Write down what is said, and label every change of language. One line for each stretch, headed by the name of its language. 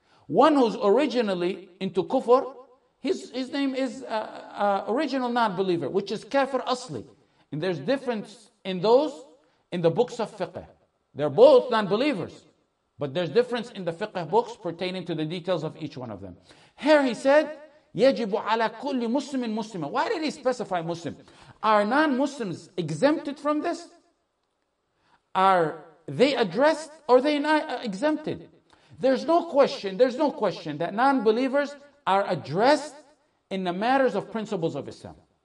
English: One who's originally into kufr, his name is original non-believer, which is kafir asli. And there's difference in those in the books of fiqh. They're both non-believers, but there's difference in the fiqh books pertaining to the details of each one of them. Here he said,
Arabic: يَجِبُ عَلَى كُلِّ مُسْلِمٍ مُسْلِمًا.
English: Why did he specify Muslim? Are non-Muslims exempted from this? Are they addressed or they not exempted? There's no question that non-believers are addressed in the matters of principles of Islam.